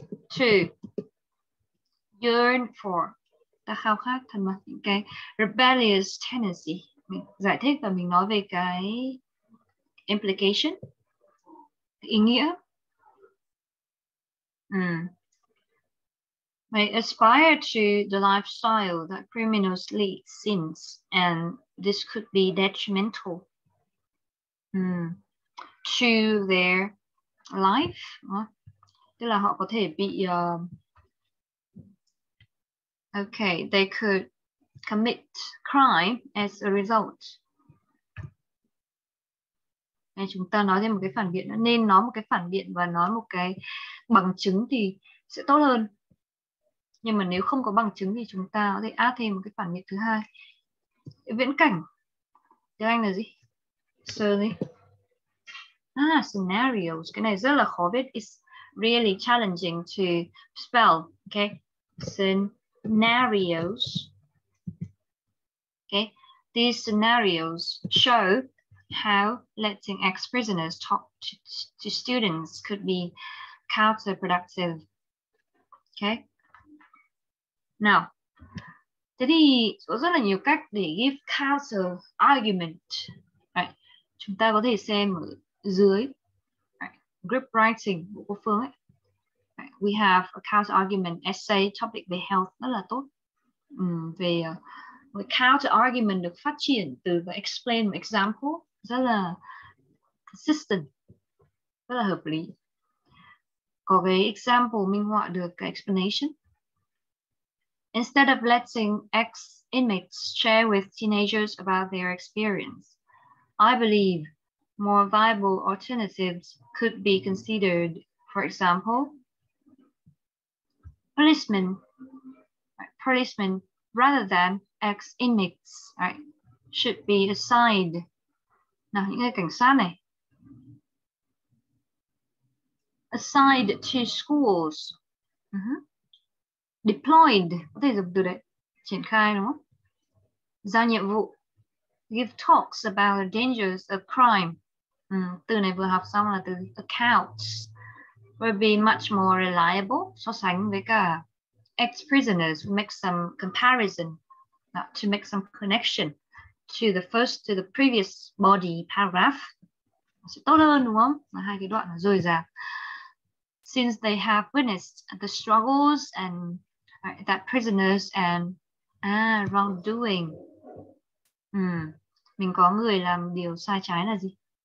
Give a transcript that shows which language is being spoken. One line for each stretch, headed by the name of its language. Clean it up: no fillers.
English: to, yearn for,
Vietnamese: ta khao khát thân mật những cái
English: rebellious tendency.
Vietnamese: Mình giải thích và mình nói về cái implication, ý nghĩa.
English: May aspire to the lifestyle that criminals lead since, and this could be detrimental to their life.
Vietnamese: Tức là họ có thể bị
English: okay, they could commit crime as a result.
Vietnamese: Nên chúng ta nói thêm một cái phản biện, nên nói một cái phản biện và nói một cái bằng chứng thì sẽ tốt hơn. Nhưng mà nếu không có bằng chứng thì chúng ta có thể add thêm một cái phản biện thứ hai. Viễn cảnh. Tiếng Anh là gì?
English: Scenarios.
Vietnamese: Cái này rất là khó viết.
English: It's really challenging to spell. Okay. Scenarios. Okay, these scenarios show how letting ex-prisoners talk to students could be counterproductive.
Vietnamese: Okay, now, thế thì có rất là nhiều cách để
English: give counter argument.
Vietnamese: Right. Chúng ta có thể xem ở dưới right. Group writing của cô Phương ấy.
English: We have a counter argument essay topic về health
Vietnamese: rất là tốt. Về counter argument được phát triển từ và explain một example
English: rất là consistent,
Vietnamese: rất là hợp lý. Có cái example minh họa được cái explanation.
English: Instead of letting ex inmates share with teenagers about their experience, I believe more viable alternatives could be considered. For example, policemen, right? Policemen rather than ex-inmates, right? Should be assigned.
Vietnamese: Nào, những người cảnh sát này.
English: Assigned to schools. Deployed.
Vietnamese: Có thể dùng từ đấy. Triển khai đúng không? Giao nhiệm vụ.
English: Give talks about the dangers of crime.
Vietnamese: Từ này vừa học xong là từ accounts.
English: Will be much more reliable.
Vietnamese: So sánh với cả ex-prisoners.
English: Make some comparison. To make some connection to the first, to the previous body paragraph.
Vietnamese: Sẽ tốt hơn đúng không? Là hai cái đoạn nó dồi dào.
English: Since they have witnessed the struggles and that prisoners and wrongdoing.
Vietnamese: Mình có người làm điều sai trái là gì?